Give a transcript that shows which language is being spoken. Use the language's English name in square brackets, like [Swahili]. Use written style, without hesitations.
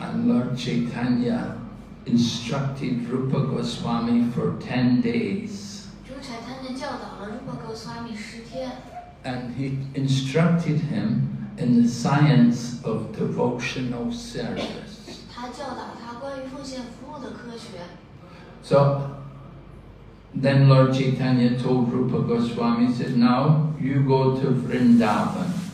[English] And Lord Chaitanya instructed Rupa Goswami for 10 days. [Chinese] 主柴坦尼教导了 Rupa Goswami 10天。 [English] And he instructed him in the science of devotional service. [Chinese] 他教导他关于奉献服务的科学。 [English] So. Then Lord Chaitanya told Rupa Goswami, he said, now you go to Vrindavan.